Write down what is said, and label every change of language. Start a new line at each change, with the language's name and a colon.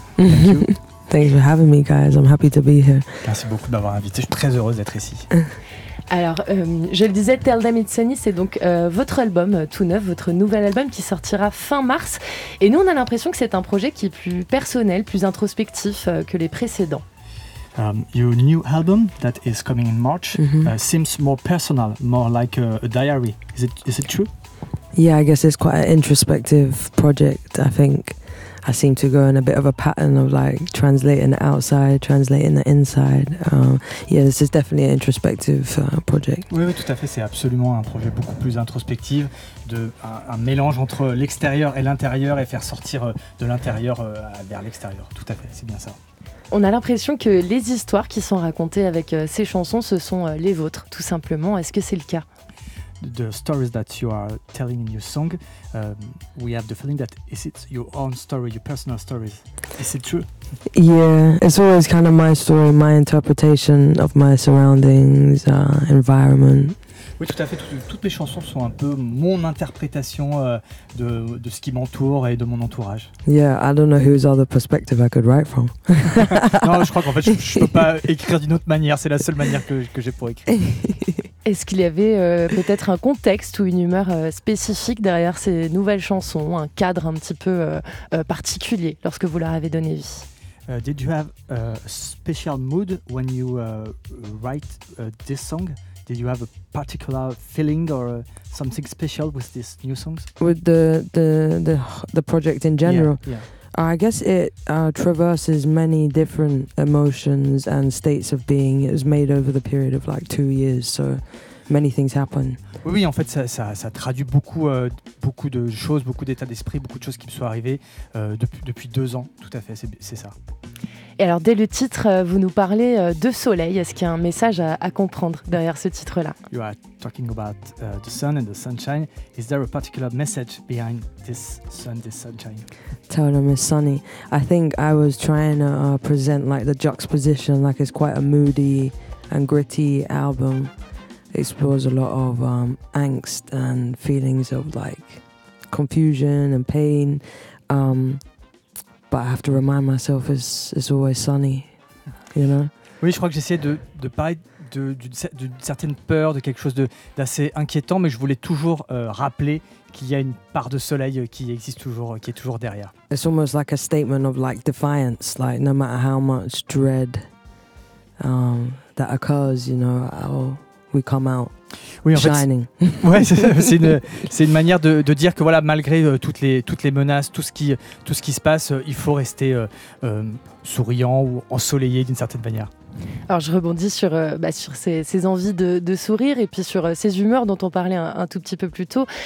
English: Thank you. Thanks for having me, guys. I'm happy to be here.
French: Merci beaucoup d'avoir invité. Je suis très heureuse d'être ici. Alors, je le disais, Tell Them It's Sunny, c'est donc votre album tout neuf, votre nouvel album qui sortira fin mars. Et nous, on a l'impression que c'est un projet qui est plus personnel, plus introspectif que les précédents.
English: Your new album that is coming in March seems more personal, more like a diary. Is it true? Yeah, I guess it's quite an introspective project, I think. I seem to go in a bit of a pattern of like translating the outside, translating the inside. Yeah, this is definitely an introspective project.
French: Oui, oui, tout à fait. C'est absolument un projet beaucoup plus introspectif, un mélange entre l'extérieur et l'intérieur et faire sortir de l'intérieur vers l'extérieur. Tout à fait, c'est bien ça. On a l'impression que les histoires qui sont racontées avec ces chansons, ce sont les vôtres, tout simplement. Est-ce que c'est le cas?
English: The stories that you are telling in your song, we have the feeling that is it your own story, your personal stories. Is it true? Yeah, it's always kind of my story, my interpretation of my surroundings, environment.
French: Oui, tout à fait. Toutes mes chansons sont un peu mon interprétation de ce qui m'entoure et de mon entourage.
English: Yeah, I don't know whose other perspective I could write from.
French: Non, je crois qu'en fait, je ne peux pas écrire d'une autre manière. C'est la seule manière que j'ai pour écrire. Est-ce qu'il y avait peut-être un contexte ou une humeur spécifique derrière ces nouvelles chansons, un cadre un petit peu particulier lorsque vous leur avez donné vie?
English: Did you have a special mood when you write this song? Did you have a particular feeling or something special with these new songs? With the project in general? Yeah. I guess it traverses many different emotions and states of being. It was made over the period of like 2 years, so many things happen.
French: Oui, oui, en fait, ça traduit beaucoup, beaucoup de choses, beaucoup d'états d'esprit, beaucoup de choses qui me sont arrivées depuis 2 ans, tout à fait, c'est ça. Et alors, dès le titre, vous nous parlez de soleil. Est-ce qu'il y a un message à comprendre derrière ce titre-là?
English: You are talking about the sun and the sunshine. Is there a particular message behind this sun, this sunshine? Tell them it's sunny. I think I was trying to present like the juxtaposition, like it's quite a moody and gritty album. It explores a lot of angst and feelings of like confusion and pain. But I have to remind myself it's always sunny, you know.
French: Oui, je crois que j'essayais de parler d'une certaine peur, de quelque chose d'assez inquiétant, mais je voulais toujours rappeler qu'il y a une part de soleil qui existe toujours, qui est toujours derrière.
English: It's almost like a statement of like defiance, like no matter how much dread that occurs, you know, I'll, we come out.
French: Oui, en
English: shining.
French: Fait, c'est une manière de dire que voilà, malgré toutes les menaces, tout ce qui se passe, il faut rester souriant ou ensoleillé d'une certaine manière. Alors je rebondis sur, sur ces envies de sourire et puis sur ces humeurs dont on parlait un tout petit peu plus tôt.